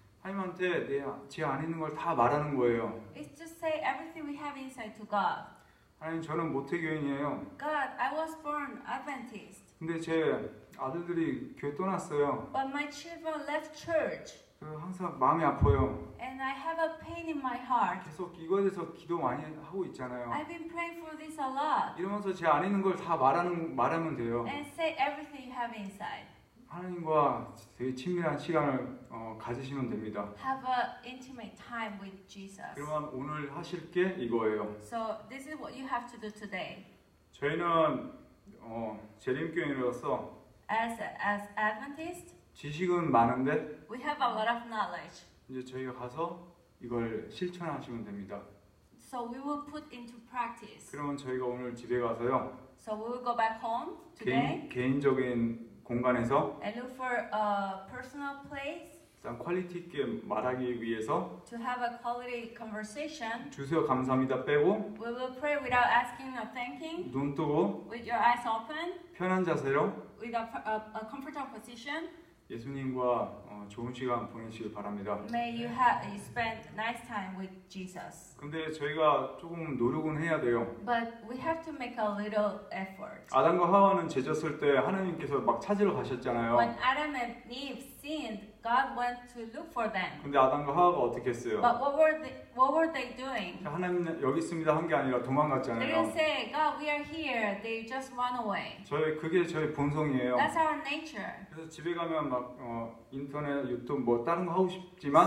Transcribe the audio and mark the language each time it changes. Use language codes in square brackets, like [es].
[ko] 하나님한테 내 제 안에 있는 걸 다 말하는 거예요. [en] It's to say everything we have inside to God. [ko] 하나님 저는 모태교인이에요. [en] God, I was born Adventist. [ko] 근데 제 아들들이 교회 떠났어요. [en] But my children left church. [ko] 항상 마음이 아파요. [en] And I have a pain in my heart. [ko] 계속 이거에 대해서 기도 많이 하고 있잖아요. [en] I've been praying for this a lot. [ko] 이러면서 제 안에 있는 걸 다 말하면 돼요. [en] And say everything you have inside. [ko] 하나님과 되게 친밀한 시간을 가지시면 됩니다. [en] Have a intimate time with Jesus. [ko] 그러면 오늘 하실 게 이거예요. [en] So this is what you have to do today. [ko] 저희는 재림교인으로서 [en] as Adventist [ko] 지식은 많은데 [en] we have a lot of knowledge. [ko] 이제 저희가 가서 이걸 실천하시면 됩니다. [en] So we will put into practice. [ko] 그러면 저희가 오늘 집에 가서요. [en] So we will go back home today. [ko] 개인적인 공간에서 [en] and look for a personal place. [ko] 일단 퀄리티 있게 말하기 위해서 [en] to have a quality conversation. [ko] 주세요 감사합니다 빼고 [en] we will pray without asking or thanking. [ko] 눈 뜨고 [en] with your eyes open. [ko] 편한 자세로 [en] with a comfortable position. [ko] 예수님과 좋은 시간 보내시길 바랍니다. [en] May you have spend nice time with Jesus. [ko] 근데 저희가 조금 노력은 해야 돼요. [en] But we have to make a little effort. [ko] 아담과 하와는 죄졌을 때 하나님께서 막 찾으러 가셨잖아요. [en] When Adam and Eve sinned, God went to look for them. [ko] 근데 아담과 하와가 어떻게 했어요? [en] But what were they doing? [ko] 하나님 여기 있습니다 한 게 아니라 도망갔잖아요. [en] They didn't say, "God, we are here." They just run away. [ko] 그게 저희 본성이에요. [en] That's our nature. [ko] 그래서 집에 가면 막 인터넷, 유튜브 뭐 다른 거 하고 싶지만